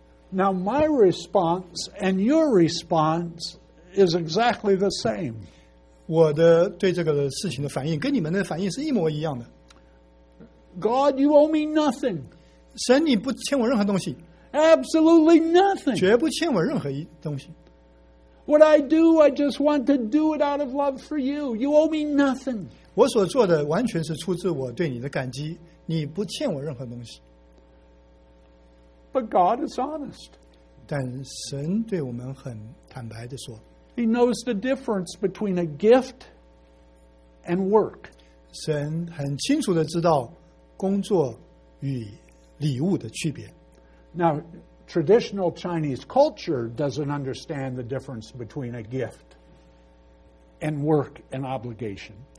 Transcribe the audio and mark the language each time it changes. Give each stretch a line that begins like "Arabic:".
English: Now my response and your response is exactly the same.
Chinese: 我的对这个事情的反应跟你们的反应是一模一样的。
English: God, you owe me nothing.
Chinese: 神你不欠我任何东西。
English: Absolutely nothing.
Chinese: 绝不欠我任何东西。
English: What I do, I just want to do it out of love for you. You owe me nothing.
Chinese: 我所做的完全是出自我对你的感激。
English: But God is honest.
Chinese: 但神对我们很坦白地说,
English: he knows the difference between a gift and work.
Chinese: 神很清楚地知道工作与礼物的区别。
English: Now, traditional Chinese culture doesn't understand the difference between a gift and work and obligation.